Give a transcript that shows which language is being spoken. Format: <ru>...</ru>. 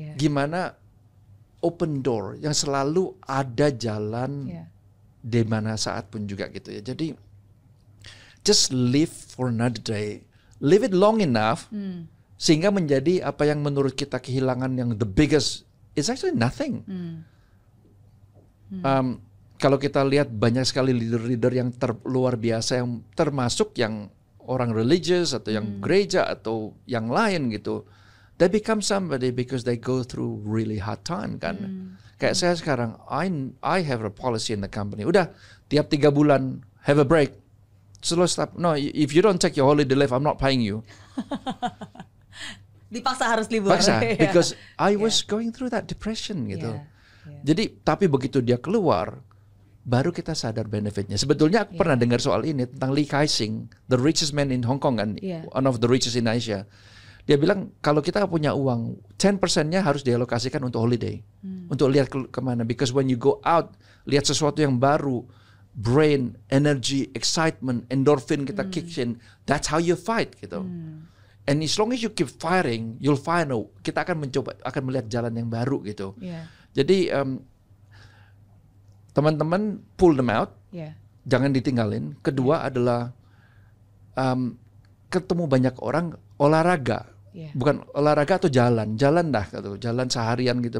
<id>Gimana open door, yang selalu ada jalan di mana saat pun juga gitu ya.</id> <en>Jadi, just live for another day. Live it long enough</en> <id>sehingga menjadi apa yang menurut kita kehilangan yang</id> <en>the biggest is actually nothing.</en> <id>Kalau kita lihat banyak sekali leader-leader yang luar biasa, yang termasuk yang orang religious atau yang gereja atau yang lain gitu,</id> <en>they become somebody because they go through really hard time</en> <id>kan. Kayak saya sekarang,</id> <en>I have a policy in the company.</en> <id>Udah, tiap 3 bulan,</id> <en>have a break. Slow stop. No, if you don't take your holiday leave, I'm not paying you.</en> <id>Dipaksa harus libur. Paksa,</id> <en>because I was going through that depression</en> <id>gitu. Jadi, tapi begitu dia keluar, baru kita sadar benefitnya. Sebetulnya aku pernah dengar soal ini tentang Lee Kai Sing,</id> <en>the richest man in Hong Kong, and one of the richest in Asia.</en> <id>Dia bilang kalau kita punya uang, 10%-nya harus dialokasikan untuk holiday, untuk lihat kemana.</id> <en>Because when you go out,</en> <id>lihat sesuatu yang baru,</id> <en>brain, energy, excitement, endorphin kita kicks in. That's how you fight, gitu. And as long as you keep firing, you'll find out.</en> <id>Kita akan mencoba, akan melihat jalan yang baru, gitu. Jadi teman-teman</id> <en>pull them out,</en> <id>jangan ditinggalin. Kedua adalah ketemu banyak orang, olahraga, bukan olahraga atau jalan, jalan dah gitu, jalan seharian gitu.</id>